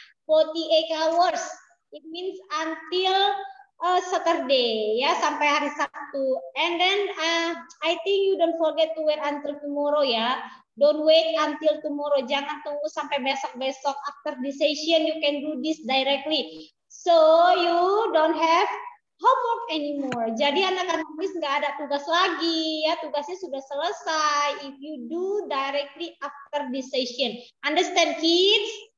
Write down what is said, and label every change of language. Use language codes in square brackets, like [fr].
[en] 48 hours. It means until Saturday ya, [id] sampai hari Sabtu. [en] And then I think you don't forget to wait until tomorrow ya. Don't wait until tomorrow. [id] Jangan tunggu sampai besok-besok. [en] After the session you can do this directly. So you don't have homework anymore. [id] Jadi anak-anak Miss nggak ada tugas lagi ya. Tugasnya sudah selesai. [en] If you do directly after the session, understand kids?